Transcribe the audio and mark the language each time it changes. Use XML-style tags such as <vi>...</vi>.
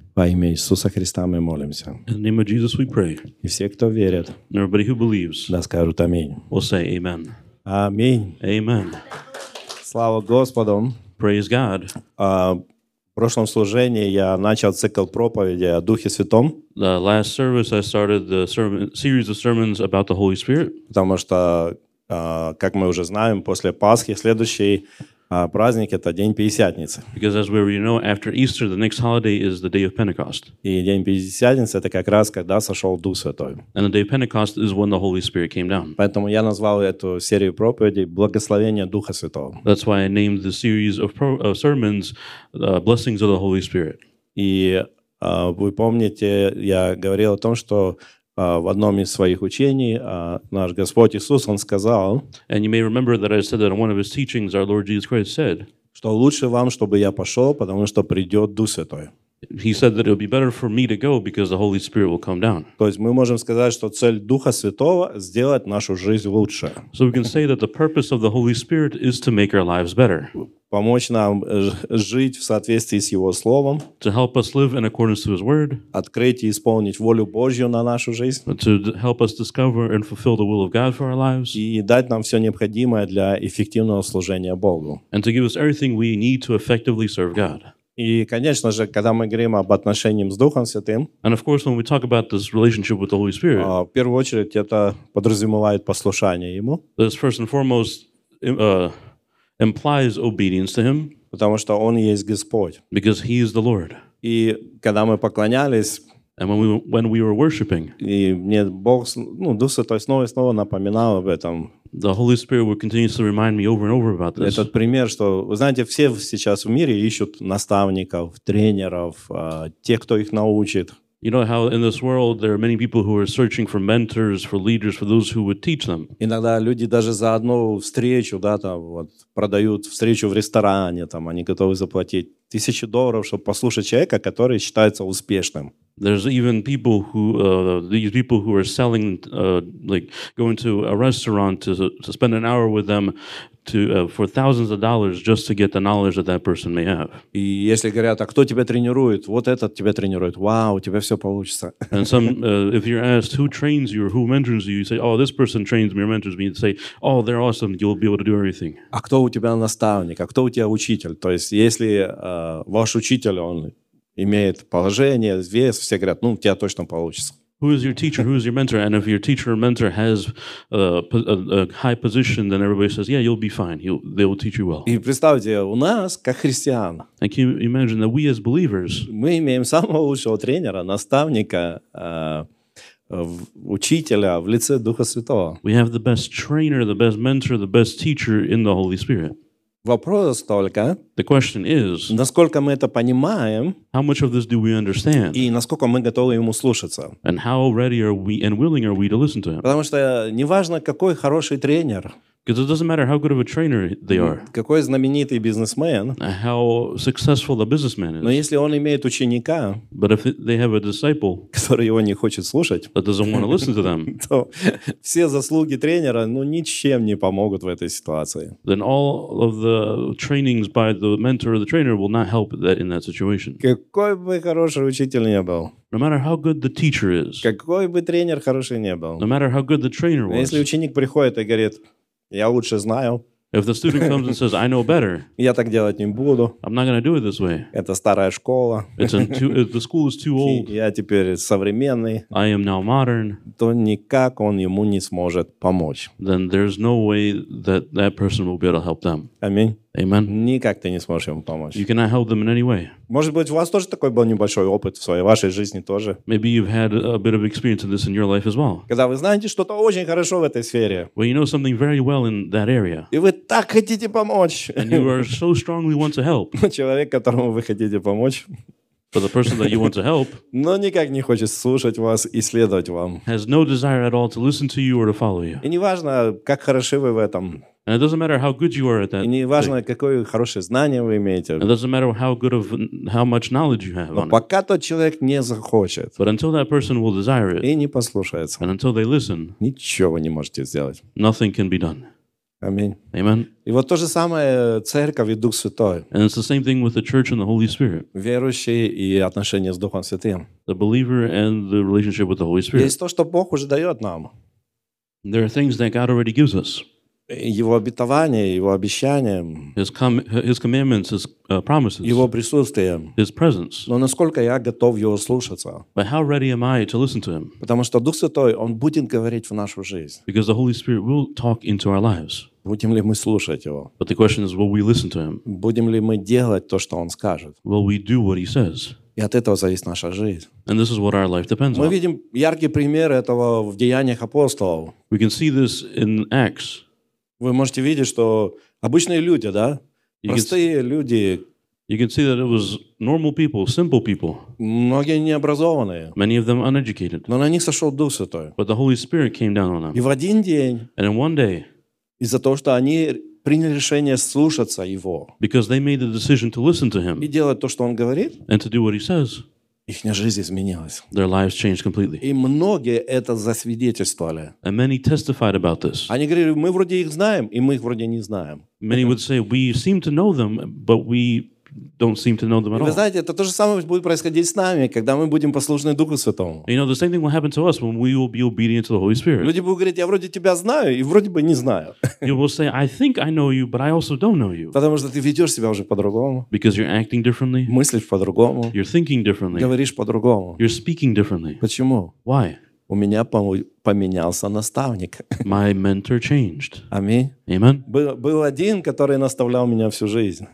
<ru>Во имя Иисуса Христа мы молимся.</ru> <en>In the name of Jesus we pray.</en> <ru>И все, кто верит,</ru> <en>and everybody who believes,</en> <ru>да скажут аминь.</ru> <en>We'll say amen.</en> <ru>Аминь.</ru> <en>Amen.</en> <ru>Слава Господу.</ru> <en>Praise God.</en> <ru>В прошлом служении я начал цикл проповеди о Духе Святом.</ru> <en>The last service I started the series of sermons about the Holy Spirit.</en> <ru>Потому что, как мы уже знаем, после Пасхи следующий праздник — это день Пятидесятницы.</ru> <en>Because as we know, after Easter, the next holiday is the day of Pentecost.</en> <ru>И день Пятидесятницы — это как раз когда сошел Дух Святой.</ru> <en>And the day of Pentecost is when the Holy Spirit came down.</en> <ru>Поэтому я назвал эту серию проповедей «Благословение Духа Святого».</ru> <en>That's why I named the series of sermons «Blessings of the Holy Spirit».</en> <ru>И вы помните, я говорил о том, что в одном из своих учений наш Господь Иисус, Он сказал,</ru> <en>and you may remember that I said that in one of His teachings, our Lord Jesus Christ said,</en> <ru>что лучше вам, чтобы я пошел, потому что придет Дух Святой.</ru> <en>He said that it would be better for me to go because the Holy Spirit will come down.</en> <ru>То есть мы можем сказать, что цель Духа Святого — сделать нашу жизнь лучше.</ru> <en>So we can say that the purpose of the Holy Spirit is to make our lives better.</en> <ru>Помочь нам жить в соответствии с Его Словом.</ru> <en>To help us live in accordance to His Word.</en> <ru>Открыть и исполнить волю Божью на нашу жизнь.</ru> <en>To help us discover and fulfill the will of God for our lives.</en> <ru>И дать нам все необходимое для эффективного служения Богу.</ru> <en>And to give us everything we need to effectively serve God.</en> <ru>И, конечно же, когда мы говорим об отношениях с Духом Святым,</ru> <en>and of course, when we talk about this relationship with the Holy Spirit,</en> <ru>в первую очередь, это подразумевает послушание Ему.</ru> <en>This first and foremost implies obedience to Him.</en> <ru>Потому что Он есть Господь.</ru> <en>Because He is the Lord.</en> <ru>И когда мы поклонялись,</ru> <en>and when we were worshiping,</en> <ru>и мне Бог, ну, Дух Святой снова и снова напоминал об этом.</ru> <en>The Holy Spirit would continuously remind me over and over about this.</en> <ru>Этот пример, что, вы знаете, все сейчас в мире ищут наставников, тренеров, тех, кто их научит.</ru> <en>You know how in this world there are many people who are searching for mentors, for leaders, for those who would teach them.</en> <ru>Иногда люди даже за одну встречу, да, там, вот, продают встречу в ресторане, там, они готовы заплатить $1000, чтобы послушать человека, который считается успешным.</ru> <en>There's even people who these people who are selling like going to a restaurant to spend an hour with them for thousands of dollars just to get the knowledge that that person may have.</en> <ru>И если говорят, а кто тебя тренирует? Вот этот тебя тренирует. Вау, у тебя все получится.</ru> <en>And some if you're asked who trains you or who mentors you, you say, oh, this person trains me or mentors me, and say, oh, they're awesome, you'll be able to do everything.</en> <ru>А кто у тебя наставник? А кто у тебя учитель? То есть если ваш учитель, он имеет положение, вес, все говорят, ну, у тебя точно получится.</ru> <en>Who is your teacher? Who is your mentor? And if your teacher or mentor has a high position, then everybody says, yeah, you'll be fine. They will teach you well.</en> <ru>И представьте, у нас, как христиан,</ru> <en>and can you imagine that we as believers,</en> <ru>мы имеем самого лучшего тренера, наставника, учителя в лице Духа Святого.</ru> <en>We have the best trainer, the best mentor, the best teacher in the Holy Spirit.</en> <ru>Вопрос только,</ru> <en>the question is,</en> <ru>насколько мы это понимаем,</ru> <en>how much of this do we understand,</en> <ru>и насколько мы готовы ему слушаться.</ru> <en>And how ready are we and willing are we to listen to him?</en> <ru>Потому что неважно, какой хороший тренер,</ru> <en>because it doesn't matter how good of a trainer they are,</en> <ru>какой знаменитый бизнесмен,</ru> <en>how successful the businessman is,</en> <ru>но если он имеет ученика,</ru> <en>but if they have a disciple,</en> <ru>который его не хочет слушать,</ru> <en>that doesn't want to listen to them,</en> <ru>то все заслуги тренера, ну, ничем не помогут в этой ситуации.</ru> <en>Then all of the trainings by the mentor or the trainer will not help that in that situation.</en> <ru>Какой бы хороший учитель ни был,</ru> <en>no matter how good the teacher is,</en> <ru>какой бы тренер хороший ни был,</ru> <en>no matter how good the trainer was,</en> <ru>если ученик приходит и говорит, я лучше знаю.</ru> <en>If the student comes and says, "I know better,"</en> <ru>я так делать не буду.</ru> <en>I'm not gonna do it this way.</en> <ru>Это старая школа.</ru> <en>The school is too old.</en> <ru>Я теперь современный.</ru> <en>I am now modern.</en> <ru>То никак он ему не сможет помочь.</ru> <en>Then there's no way that person will be able to help them.</en> <ru>Аминь.</ru> <en>Amen.</en> <ru>Никак ты не сможешь ему помочь.</ru> <en>You cannot help them in any way.</en> <ru>Может быть, у вас тоже такой был небольшой опыт в своей вашей жизни тоже.</ru> <en>Maybe you've had a bit of experience of this in your life as well.</en> <ru>Когда вы знаете что-то очень хорошо в этой сфере.</ru> <en>Well, you know something very well in that area.</en> <ru>И вы так хотите помочь.</ru> <en>And you are so strongly want to help.</en> <ru>Человек, которому вы хотите помочь.</ru> <en>For the person that you want to help.</en> <ru>Но никак не хочет слушать вас и следовать вам.</ru> <en>Has no desire at all to listen to you or to follow you.</en> <ru>И неважно, как хороши вы в этом.</ru> <en>And it doesn't matter how good you are at that.</en> <ru>И неважно, какое хорошее знание вы имеете.</ru> <en>It doesn't matter how much knowledge you have.</en> <ru>Но пока тот человек не захочет.</ru> <en>But until that person will desire it.</en> <ru>И не послушается.</ru> <en>And until they listen.</en> <ru>Ничего вы не можете сделать.</ru> <en>Nothing can be done.</en> <ru>Аминь.</ru> <en>Amen.</en> <ru>И вот то же самое церковь и Дух Святой.</ru> <en>And it's the same thing with the church and the Holy Spirit.</en> <ru>Верующие и отношения с Духом Святым.</ru> <en>The believer and the relationship with the Holy Spirit.</en> <ru>Есть то, что Бог уже дает нам.</ru> <en>There are things that God already gives us.</en> <ru>Его обетование, его обещание.</ru> <en>His commandments, his promises.</en> <ru>Его присутствие.</ru> <en>His presence.</en> <ru>Но насколько я готов его слушаться?</ru> <en>But how ready am I to listen to him?</en> <ru>Потому что Дух Святой, он будет говорить в нашу жизнь.</ru> <en>Because the Holy Spirit will talk into our lives.</en> <ru>Будем ли мы слушать его?</ru> <en>But the question is, will we listen to him?</en> <ru>Будем ли мы делать то, что он скажет?</ru> <en>Will we do what he says?</en> <ru>И от этого зависит наша жизнь.</ru> <en>And this is what our life depends on.</en> <ru>Мы видим яркий пример этого в Деяниях апостолов.</ru> <en>We can see this in Acts.</en> <ru>Вы можете видеть, что обычные люди, да? Простые люди.</ru> <en>You can see that it was normal people, simple people.</en> <ru>Многие необразованные.</ru> <en>Many of them uneducated.</en> <ru>Но на них сошел Дух Святой.</ru> <en>But the Holy Spirit came down on them.</en> <ru>И в один день.</ru> <en>And in one day.</en> <ru>Из-за того, что они приняли решение слушаться Его.</ru> <en>Because they made the decision to listen to Him.</en> <ru>И делать то, что Он говорит.</ru> <en>And to do what He says.</en> <ru>Их жизнь изменилась.</ru> <en>Their lives changed completely.</en> <ru>И многие это засвидетельствовали.</ru> <en>And many testified about this.</en> <ru>Они говорили, мы вроде их знаем, и мы их вроде не знаем.</ru> <en>Many would say, we seem to know them, but we don't seem to know them at all.</en> <ru>Вы знаете, это то же самое будет происходить с нами, когда мы будем послушны Духу Святому.</ru> <en>You know, the same thing will happen to us when we will be obedient to the Holy Spirit.</en> <ru>Люди будут говорить, я вроде тебя знаю, и вроде бы не знаю.</ru> <en>You will say, I think I know you, but I also don't know you.</en> <ru>Потому что ты ведешь себя уже по-другому.</ru> <en>Because you're acting differently.</en> <ru>Мыслишь по-другому.</ru> <en>You're thinking differently.</en> <ru>Говоришь по-другому.</ru> <en>You're speaking differently.</en> <ru>Почему?</ru> <en>Why?</en> <ru>У меня поменялся наставник.</ru> <en>My mentor changed.</en> <ru>Аминь.</ru> <en>Amen.</en> <ru>Был один, который наставлял меня всю жизнь.</ru>